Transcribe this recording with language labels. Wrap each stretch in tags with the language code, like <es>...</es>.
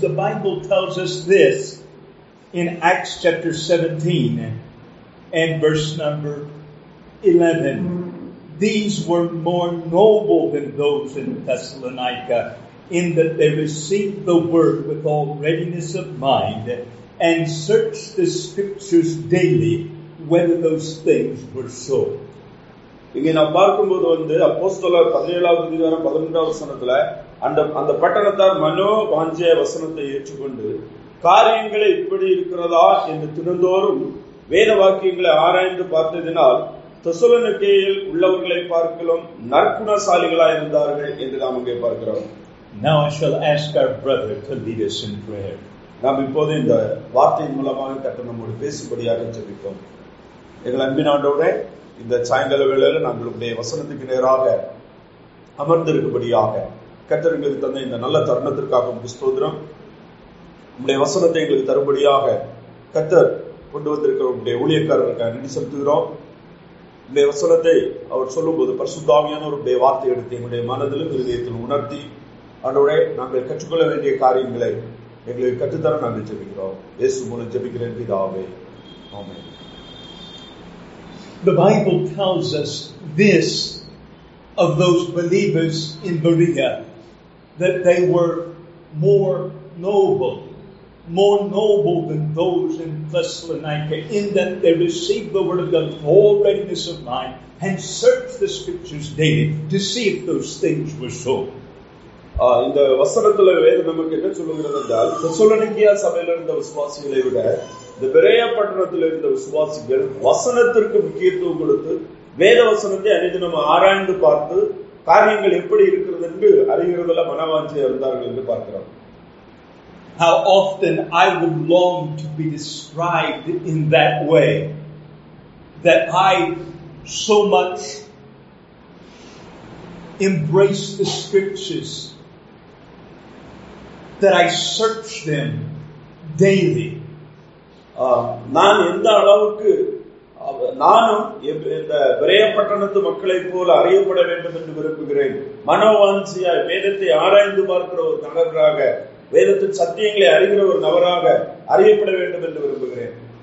<en>The Bible tells us this in Acts chapter 17 and verse number 11. These were more noble than those in Thessalonica, in that they received the word with all readiness of mind and searched the scriptures daily whether those things were so.</en> <ta>இங்கே நாம் பார்க்கும்போது அப்போஸ்தலர் 17வது அதிகாரம் 11வது வசனத்துல அந்த பட்டணத்தார் மனோவாஞ்சைய வசனத்தை ஏற்றுக்கொண்டு காரியங்களை இப்படி இருக்கிறதா என்று தினந்தோறும் வேத வாக்கியங்களை ஆராய்ந்து பார்த்ததினால் தெசலோனிக்கேயில் உள்ளவர்களை பார்க்கலாம் நற்குணசாலிகளாய் இருந்தார்கள் என்று நாம் அங்கே பார்க்கிறோம்.</ta> <en>Now I shall ask our brother to lead us in prayer.</en> <ta>நாம் இப்போது இந்த வார்த்தையின் மூலமாக கர்த்தர் நம்மோடு பேசும்படியாக ஜெபிப்போம். எங்கள் அன்பின் ஆண்டவரே, இந்த சாயங்கால வேளையில் நம்மளுடைய வசனத்துக்கு நேராக அமர்ந்திருக்கும்படியாக கர்த்தர் எங்களுக்கு தந்த இந்த நல்ல தருணத்திற்காக ஸ்தோத்திரம். உங்களுடைய வசனத்தை எங்களுக்கு தரும்படியாக கர்த்தர் கொண்டு வந்திருக்கிற உங்களுடைய ஊழியக்காரர்களுக்கு நன்றி செலுத்துகிறோம். உடைய வசனத்தை அவர் சொல்லும்போது பரிசுத்தாவியான ஒரு உடைய வார்த்தை எடுத்து எங்களுடைய மனதிலும் இதயத்திலும் உணர்த்தி அவருடைய நாங்கள் கற்றுக்கொள்ள வேண்டிய காரியங்களை எங்களுக்கு கற்றுத்தர நாங்கள் ஜெபிக்கிறோம். இயேசு மூலம் ஜெபிக்கிறேன் பிதாவே, ஆமென்.</ta> <en>The Bible tells us this of those believers in Berea, that they were more noble than those in Thessalonica, in that they received the word of God with all readiness of mind and searched the scriptures daily to see if those things were so. In the</en> <ta>வசனத்தில் வேறு நமக்கு என்ன சொல்லுகிறது என்றால், தெசலோனிக்கேயா சபையில் இருந்த விசுவாசிகளை விட இந்த பெரேயா பட்டணத்தில் இருந்த விசுவாசிகள் வசனத்திற்கு முக்கியத்துவம் கொடுத்து வேத வசனத்தை அனைத்து நம்ம ஆராய்ந்து பார்த்து காரியங்கள் எப்படி இருக்கிறது என்று அறிகிறதுல மனவாஞ்சியா இருந்தார்கள் என்று பார்க்கிறோம்.</ta> <en>How often I would long to be described in that way, that I so much embrace the scriptures, that I search them daily.</en> <ta>நான் எந்த அளவுக்கு நானும் இந்த பெரிய பட்டணத்து மக்களை போல அறியப்பட வேண்டும் என்று விரும்புகிறேன், மனவாஞ்சியாய் வேதத்தை ஆராய்ந்து பார்க்கிற ஒரு நபராக, வேதத்தின் சத்தியங்களை அறிகிற ஒரு நபராக அறியப்பட வேண்டும் என்று விரும்புகிறேன்.</ta>